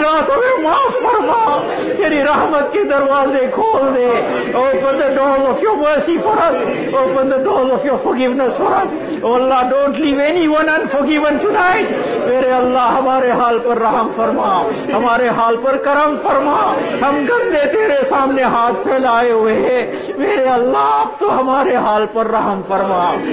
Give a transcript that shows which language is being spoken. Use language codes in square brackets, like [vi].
[ur] گناہ تو میں معاف فرما، میری رحمت کے دروازے کھول دے. [en] Open the doors of your mercy for us. Open the doors of your forgiveness for us. Oh Allah, don't leave anyone unforgiven tonight. [ur] میرے اللہ ہمارے حال پر رحم فرما، ہمارے حال پر کرم فرما. ہم گندے تیرے سامنے ہاتھ پھیلائے ہوئے ہیں، میرے اللہ اب تو ہمارے حال پر رحم فرما.